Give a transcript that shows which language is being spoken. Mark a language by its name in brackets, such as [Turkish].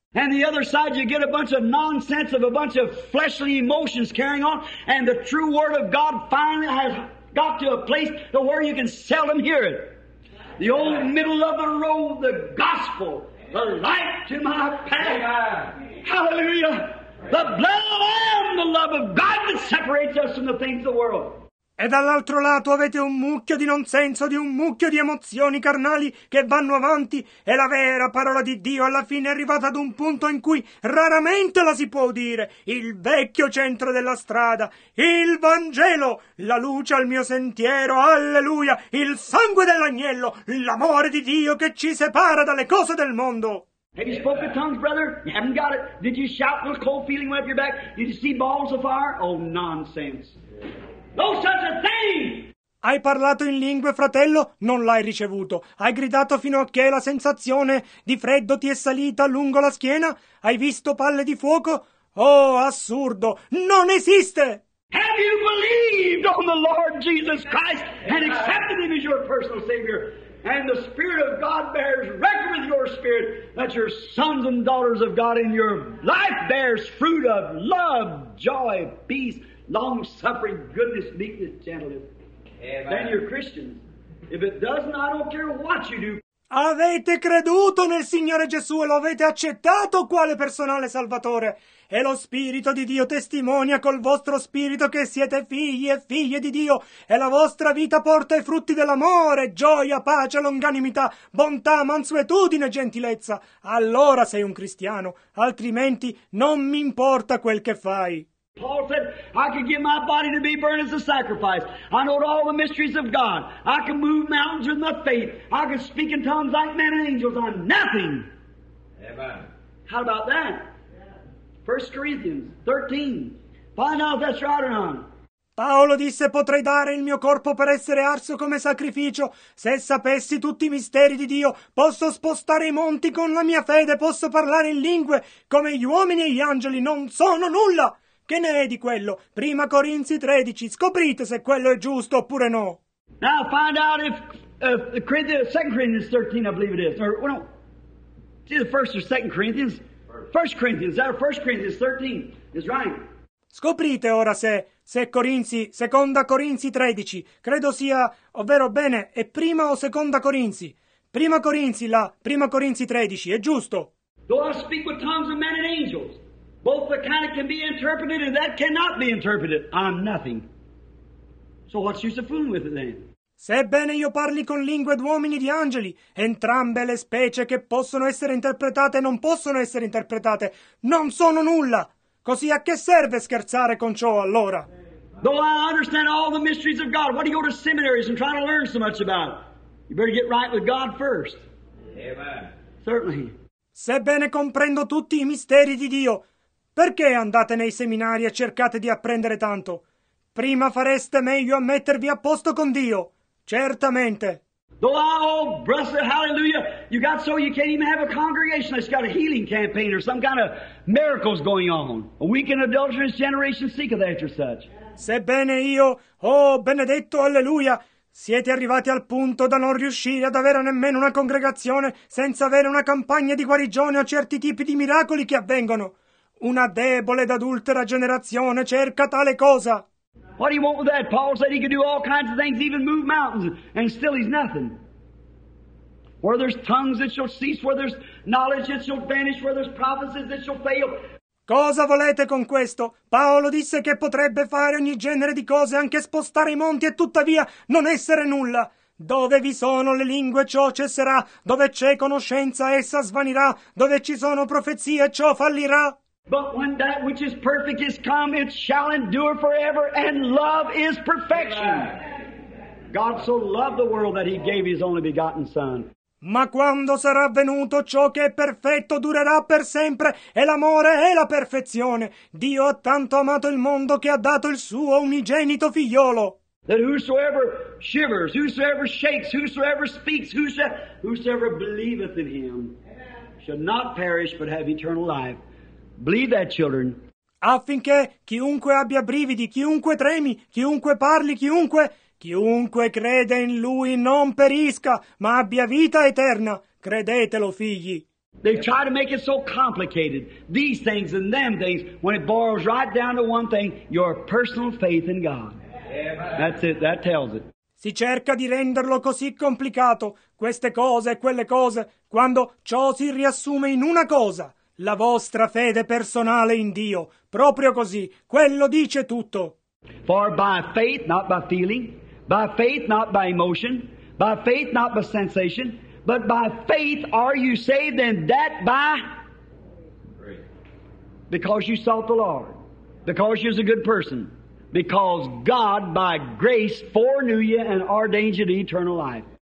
[English] And the other side you get a bunch of nonsense of a bunch of fleshly emotions carrying on, and the true word of God finally has got to a place to where you can seldom hear it. The old middle of the road, the gospel, the light to my path. Hallelujah! The blood of Lamb, the love of God that separates us from the things of the world. [Italian] E dall'altro lato avete un mucchio di nonsenso, di un mucchio di emozioni carnali che vanno avanti, e la vera parola di Dio alla fine è arrivata ad un punto in cui raramente la si può udire. Il vecchio centro della strada, il Vangelo, la luce al mio sentiero, alleluia, il sangue dell'agnello, l'amore di Dio che ci separa dalle cose del mondo. [English] Have you spoken tongues, brother? You haven't got it. Did you shout with a cold feeling went up your back? Did you see balls of fire? Oh, nonsense. No such a thing! [Italian] Hai parlato in lingue, fratello? Non l'hai ricevuto. Hai gridato fino a che la sensazione di freddo ti è salita lungo la schiena? Hai visto palle di fuoco? Oh, assurdo! Non esiste! [English] Have you believed on the Lord Jesus Christ and accepted Him as your personal Savior? And the Spirit of God bears record with your spirit that your sons and daughters of God in your life bears fruit of love, joy, peace, long-suffering, goodness, meekness, gentleness. Amen. Then you're Christians. If it doesn't, I don't care what you do. [Italian] Avete creduto nel Signore Gesù e lo avete accettato quale personale salvatore? E lo Spirito di Dio testimonia col vostro spirito che siete figli e figlie di Dio, e la vostra vita porta i frutti dell'amore, gioia, pace, longanimità, bontà, mansuetudine, gentilezza. Allora sei un cristiano, altrimenti non mi importa quel che fai. [English] Paul said, I could give my body to be burned as a sacrifice. I know all the mysteries of God. I can move mountains with my faith. I can speak in tongues like men and angels. I'm nothing. Amen. How about that? 1 Corinthians 13. Find out if that's right or not. [Italian] Paolo disse, potrei dare il mio corpo per essere arso come sacrificio. Se sapessi tutti i misteri di Dio, posso spostare i monti con la mia fede, posso parlare in lingue come gli uomini e gli angeli, non sono nulla. Che ne è di quello? Prima Corinzi 13. Scoprite se quello è giusto oppure no. [English] Now find out if 2 Corinthians 13, I believe it is. Or, well, no. See the 1st or 2nd Corinthians? 1 Corinthians, our 1 Corinthians 13 is right. [Italian] Scoprite ora se Corinzi, 2 Corinzi 13, credo sia, ovvero bene, è prima o seconda Corinzi. Prima Corinzi là, prima Corinzi 13, è giusto. [English] Do I speak with tongues of men and angels? Both the kind of can be interpreted and that cannot be interpreted. I'm nothing. So what's use of fooling with it then? [Italian] Sebbene io parli con lingue d'uomini e di angeli, entrambe le specie che possono essere interpretate non possono essere interpretate, non sono nulla. Così a che serve scherzare con ciò allora? [English] Though I understand all the mysteries of God, what do you go to seminaries and try to learn so much about? You better get right with God first. Amen. Certainly. [Italian] Sebbene comprendo tutti i misteri di Dio, perché andate nei seminari e cercate di apprendere tanto? Prima fareste meglio a mettervi a posto con Dio. Certamente. [English] Oh, blessed, hallelujah. You got so you can't even have a congregation. It's got a healing campaign or some kind of miracles going on. A weak and adulterous generation seeketh after such. [Italian] Sebbene io, oh, benedetto, alleluia, siete arrivati al punto da non riuscire ad avere nemmeno una congregazione senza avere una campagna di guarigione o certi tipi di miracoli che avvengono. Una debole ed adultera generazione cerca tale cosa. [English] What do you want with that? Paul said he could do all kinds of things, even move mountains, and still he's nothing. Where there's tongues, it shall cease. Where there's knowledge, it shall vanish. Where there's prophecies, it shall fail. [Italian] Cosa volete con questo? Paolo disse che potrebbe fare ogni genere di cose, anche spostare i monti e tuttavia non essere nulla. Dove vi sono le lingue, ciò cesserà. Dove c'è conoscenza, essa svanirà. Dove ci sono profezie, ciò fallirà. [English] But when that which is perfect is come, it shall endure forever, and love is perfection. God so loved the world that he gave his only begotten Son. [Italian] Ma quando sarà avvenuto, ciò che è perfetto durerà per sempre, e l'amore è la perfezione. Dio ha tanto amato il mondo che ha dato il suo unigenito figliolo. [English] That whosoever shivers, whosoever shakes, whosoever speaks, whosoever believeth in him shall not perish but have eternal life. Believe that, children. [Italian] Affinché chiunque abbia brividi, chiunque tremi, chiunque parli, chiunque crede in lui non perisca, ma abbia vita eterna. Credetelo, figli. [English] They try to make it so complicated, these things and them things, when it boils right down to one thing, your personal faith in God. That's it, that tells it. [Italian] Si cerca di renderlo così complicato, queste cose e quelle cose, quando ciò si riassume in una cosa. La vostra fede personale in Dio, proprio così, quello dice tutto. [English] For by faith, not by feeling, by faith, not by emotion, by faith, not by sensation, but by faith are you saved, and that by? Because you sought the Lord, because you're a good person, because God by grace foreknew you and ordained you to eternal life.